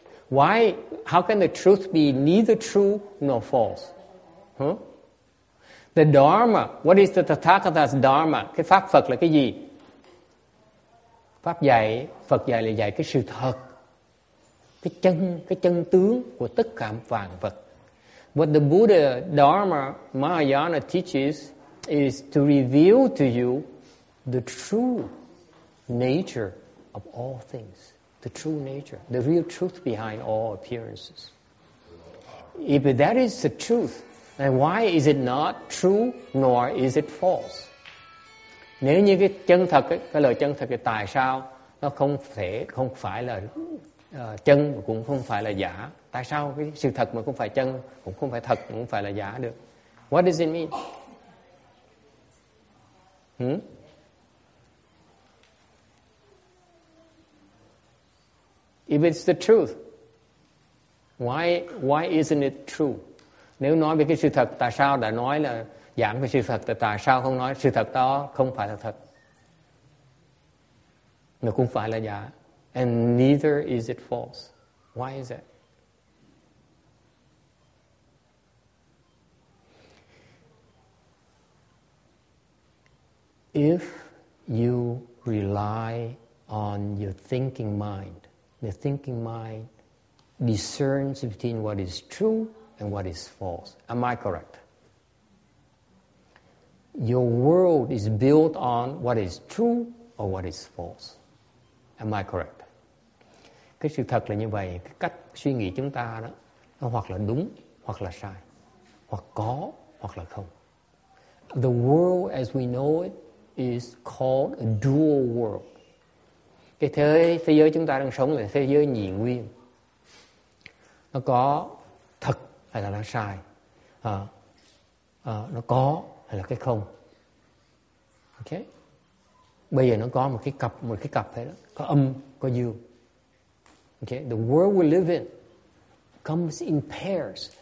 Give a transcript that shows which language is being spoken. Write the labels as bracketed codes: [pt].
[en] Why, how can the truth be neither true nor false? Huh? The Dharma, what is the Tathagata's Dharma? [vi] Cái pháp Phật là cái gì? Pháp dạy, Phật dạy là dạy cái sự thật, cái chân tướng của tất cả vạn vật. [en] What the Buddha Dharma Mahayana teaches is to reveal to you the true nature of all things, the true nature, the real truth behind all appearances. If that is the truth, then why is it not true nor is it false? [vi] Nếu như cái chân thật ấy, cái lời chân thật thì tại sao nó không thể không phải là chân mà cũng không phải là giả? Tại sao cái sự thật mà không phải chân cũng không phải thật cũng phải là giả được? [en] What does it mean? If it's the truth, why isn't it true? [vi] Nếu nói về cái sự thật, tại sao đã nói là giảng về sự thật, tại sao không nói sự thật đó không phải là thật mà cũng phải là giả? [en] And neither is it false. Why is that? If you rely on your thinking mind, the thinking mind discerns between what is true and what is false. Am I correct? Your world is built on what is true or what is false. Am I correct? [vi] Cái sự thật là như vậy, cái cách suy nghĩ chúng ta đó, nó hoặc là đúng, hoặc là sai, hoặc có, hoặc là không. [en] The world as we know it is called a dual world. [vi] Cái thế giới chúng ta đang sống là thế giới nhị nguyên. Nó có thật hay là sai. Nó có hay là cái không. Ok. Bây giờ nó có một cái cặp hay đó. Có âm, có dương. Ok. [en] The world we live in comes in pairs.